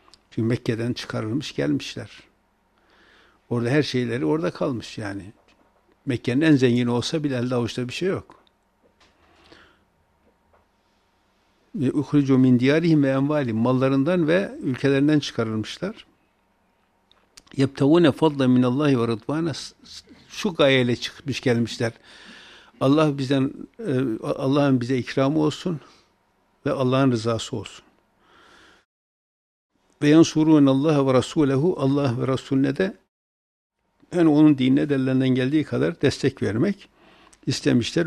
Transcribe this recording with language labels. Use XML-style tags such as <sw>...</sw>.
<tr>Çünkü Mekke'den çıkarılmış gelmişler. Orada her şeyleri orada kalmış yani. Mekke'nin en zengini olsa bile elde avuçta bir şey yok.</tr> <ar>اُخْرِجُوا مِنْ دِيَارِهِمْ وَاَنْوَالِهِمْ</ar> <tr>mallarından ve ülkelerinden çıkarılmışlar.</tr> <ar>يَبْتَوُنَ فَضْلًا مِنَ اللّٰهِ وَرَضْوَانَ</ar> <tr>şu gayeyle çıkmış gelmişler. Allah bizden Allah'ın bize ikramı olsun ve Allah'ın rızası olsun.</tr> <ar>وَيَنْصُرُونَ اللّٰهَ وَرَسُولَهُ</ar> <tr>Allah ve Resulüne de yani onun dinine ellerinden geldiği kadar destek vermek istemişler.</tr>